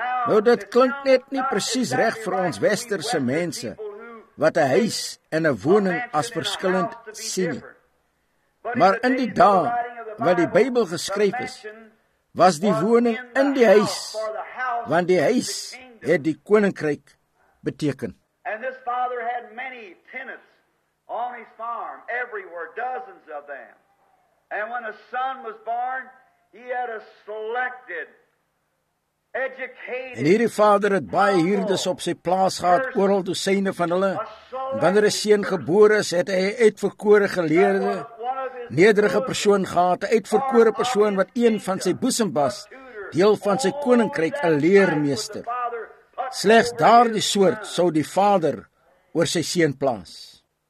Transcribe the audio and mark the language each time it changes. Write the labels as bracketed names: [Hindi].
[Afrikaans] Nou dit klink net nie presies reg vir ons westerse mense, wat 'n huis en 'n woning as verskillend sien nie. Maar in die dae wat die Bybel geskryf is, was die woning in die huis, want die huis het die koninkryk beteken. [English] And this father had many tenants on his farm, everywhere, dozens of them. And when a son was born, he had a selected, educated. [Afrikaans] En hierdie vader het baie hierdes op sy plaas gehad, oral dosyne van hulle. En wanneer 'n seun gebore is, het hy 'n uitverkore geleerde, nederige persoon gehad, 'n uitverkore persoon wat een van sy boesem was, deel van sy koninkryk, 'n leermeester. Slegs daardie soort sou die vader oor sy seun plaas.